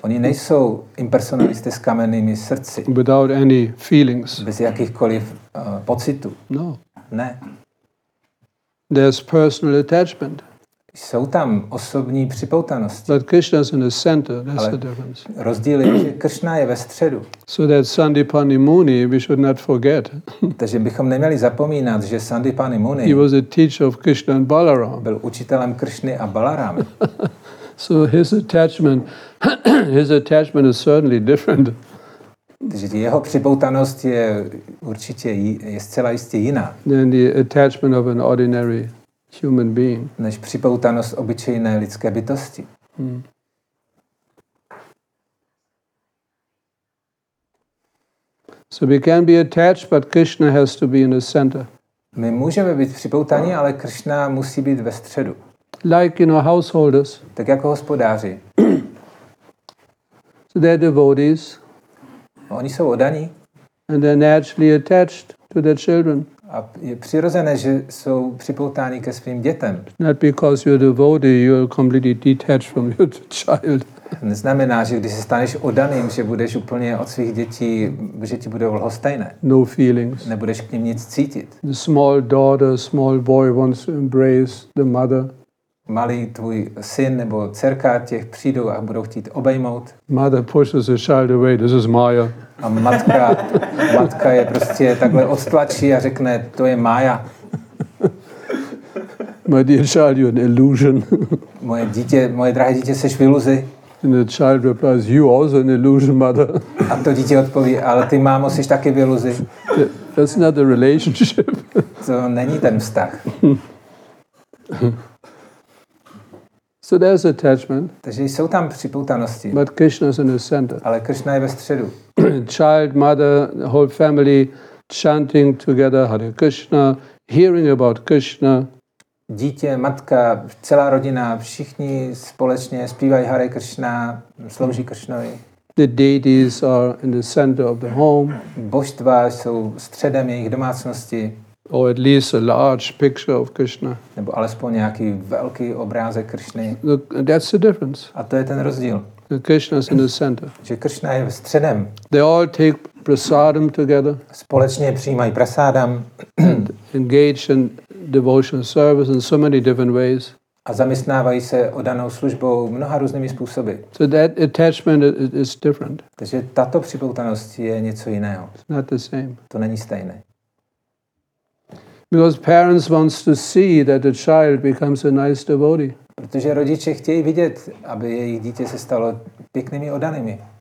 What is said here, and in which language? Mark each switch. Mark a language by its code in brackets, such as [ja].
[cs] Oni nejsou impersonalisté s kamennými srdci. [en] Without any feelings. [cs] Bez jakýchkoliv pocitů. [en] No. [cs] Ne. [en] There's personal attachment. [cs] Jsou tam osobní připoutanosti. [en] But Krishna is in the center. That's the difference. [cs] Rozdíl je, že Krishna je ve středu. [en] So that Sandipani Muni, we should not forget. [cs] Takže bychom neměli zapomínat, že Sandipani Muni. [en] He was a teacher of Krishna and Balaram. [cs] Byl učitelem Krishny a Balarama. [en] So his attachment is certainly different. [cs] Takže jeho připoutanost je určitě je zcela jistě jiná. [en] Than the attachment of an ordinary human being. [cs] Než připoutanost obyčejné lidské bytosti. Hmm. [en] So we can be attached, but Krishna has to be in the center. [cs] My můžeme být připoutaní, ale Krishna musí být ve středu. [en] Like, you know, householders. [cs] Tak jako hospodáři. [en] So they're devotees. [cs] Oni jsou oddaní. [en] And they're naturally attached to their children. [cs] A je přirozené, že jsou připoutáni ke svým dětem. [en] Not because you're a devotee, you're completely detached from your child. [cs] Neznamená, že když se staneš oddaným, že budeš úplně od svých dětí, že ti budou lhostejné. [en] No feelings. [cs] Nebudeš k ním nic cítit. [en] The small daughter, small boy wants to embrace the mother. [cs] Malý tvůj syn nebo dcerka těch přijdou a budou chtít obejmout. [en] Mother pushes the child away. This is Maya. [cs] A matka je prostě takhle odtlačí a řekne, to je Maya. [en] My dear child, you're an illusion. [cs] Moje drahé dítě, seš v iluzi. [en] And the child replies, you also an illusion, mother. [cs] A to dítě odpoví, ale ty mámo, seš taky v iluzi. [en] That's not the relationship. [cs] To není ten vztah. [en] So there's attachment. [cs] Takže jsou tam připoutanosti. [en] But Krishna is in the center. [cs] Ale Krishna je ve středu. [en] Child, mother, whole family chanting together Hare Krishna, hearing about Krishna. [cs] Dítě, matka, celá rodina, všichni společně zpívají Hare Krishna, slouží Krishnovi. [en] The deities are in the center of the home. [cs] Božstva jsou středem jejich domácnosti. [en] Or at least a large picture of Krishna. [cs] Nebo alespoň nějaký velký obrázek Krishny. [en] That's the difference. [cs] A to je ten rozdíl. [en] The Krishna is in the center. [cs] Že Krishna je středem. [en] They all take prasadam together. [cs] Společně přijímají prasadam. [en] Engage in devotional service in so many different ways. [cs] A zaměstnávají se oddanou službou mnoha různými způsoby. [en] So that attachment is different. [cs] Takže tato připoutanost je něco jiného. [en] It's not the same. [cs] To není stejné. [en] Because parents wants to see that the child becomes a nice devotee. [cs] Protože rodiče chtějí vidět, aby jejich dítě se stalo pěknými oddanými.